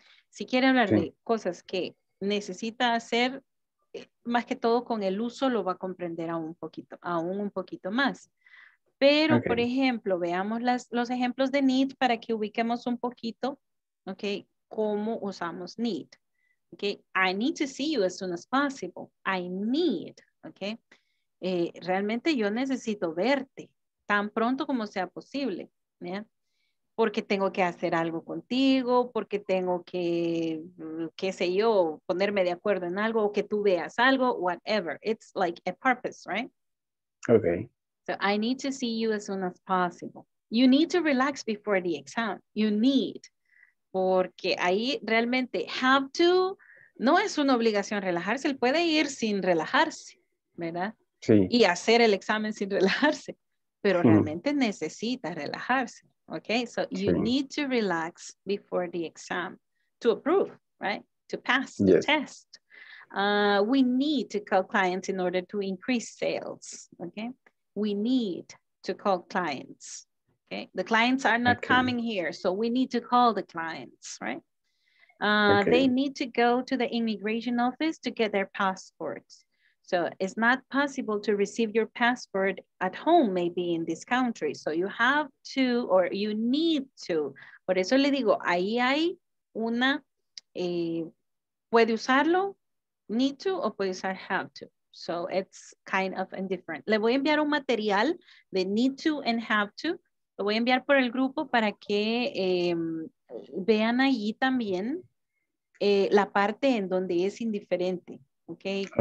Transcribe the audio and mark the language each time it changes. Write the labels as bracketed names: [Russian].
[Spanish] Si quiere hablar de cosas que necesita hacer, más que todo con el uso lo va a comprender aún un poquito más. Pero, por ejemplo, veamos los ejemplos de need para que ubiquemos un poquito, ¿ok? Cómo usamos need. ¿Ok? [English] I need to see you as soon as possible. I need, ¿ok? [Spanish] Realmente yo necesito verte tan pronto como sea posible, ¿ya? Porque tengo que hacer algo contigo, porque tengo que, qué sé yo, ponerme de acuerdo en algo, o que tú veas algo, whatever. [English] It's like a purpose, right? Okay. So I need to see you as soon as possible. You need to relax before the exam. You need. [Spanish] Porque ahí realmente have to, no es una obligación relajarse. Él puede ir sin relajarse, ¿verdad? Sí. Y hacer el examen sin relajarse. Pero realmente necesita relajarse. [English] Okay, so you need to relax before the exam to approve, right? To pass the test. We need to call clients in order to increase sales, okay? We need to call clients, okay? The clients are not coming here, so we need to call the clients, right? They need to go to the immigration office to get their passports. So it's not possible to receive your passport at home, maybe in this country. So you have to, or you need to. [Spanish] Por eso le digo, ahí hay una, puede usarlo, need to, o puede usar have to. [English] So it's kind of indifferent. [Spanish] Le voy a enviar un material de [English] need to and have to. [Spanish] Lo voy a enviar por el grupo para que vean allí también la parte en donde es indiferente. Okay.